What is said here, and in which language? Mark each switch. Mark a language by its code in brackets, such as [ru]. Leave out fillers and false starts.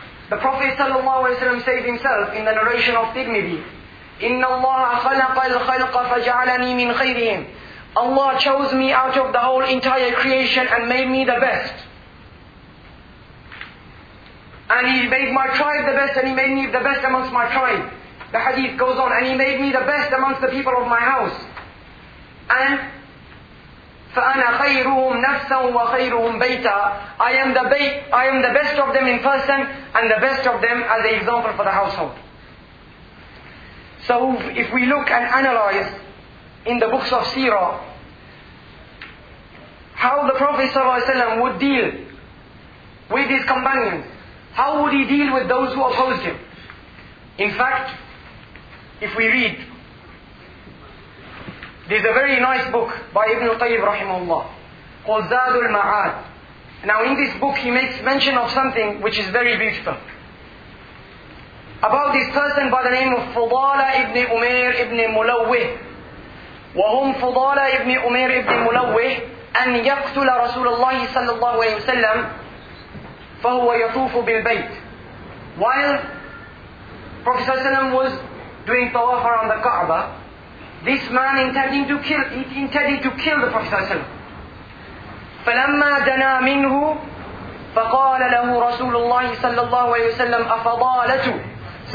[en] The Prophet sallallahu alaihi wasallam says himself in the narration of Tirmidhi, [ar] إِنَّ اللَّهَ خَلَقَ الْخَلْقَ فَجَعَلَنِي مِنْ خَيْرِهِمْ. [en] Allah chose me out of the whole entire creation and made me the best. And He made my tribe the best, and He made me the best amongst my tribe. The hadith goes on, and He made me the best amongst the people of my house. [ar] And فَأَنَا خَيْرُهُمْ نَفْسًا وَخَيْرُهُمْ بَيْتًا. [en] I am the best of them in person, and the best of them as an example for the household. So if we look and analyze in the books of Seerah, how the Prophet ﷺ would deal with his companions, how would he deal with those who opposed him? In fact, if we read, there's a very nice book by Ibn al-Tayyib rahimahullah called Zadul Ma'ad. Now in this book he makes mention of something which is very beautiful about this person by the name of Fudala ibn Umair ibn Mulawih. [ar] وَهُمْ Fudala ibn Umair ibn Mulawih أَنْ يَقْتُلَ رَسُولَ اللَّهِ صَلَّى اللَّهُ عَلَيْهِ وَسَلَّمْ فَهُوَ يَطُوفُ بِالْبَيْتِ. [en] While Prophet ﷺ was doing tawaf around the Kaaba, this man intended to kill the Prophet ﷺ. [ar] فَلَمَّا دَنَا مِنْهُ فَقَالَ لَهُ رَسُولُ اللَّهِ صَلَّى اللَّهُ عَلَيْهِ وَسَلَّمْ أَفَضَالَتُ. So